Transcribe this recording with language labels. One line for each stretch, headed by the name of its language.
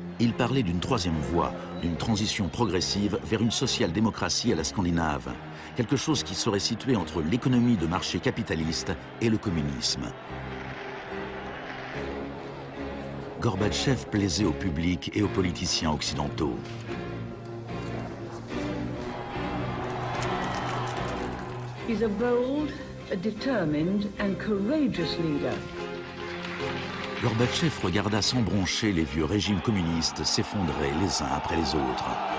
French: Il parlait d'une troisième voie, d'une transition progressive vers une social-démocratie à la scandinave. Quelque chose qui serait situé entre l'économie de marché capitaliste et le communisme. Gorbatchev plaisait au public et aux politiciens occidentaux.
English: He's a bold, a determined and courageous leader.
French: Gorbatchev regarda sans broncher les vieux régimes communistes s'effondrer les uns après les autres.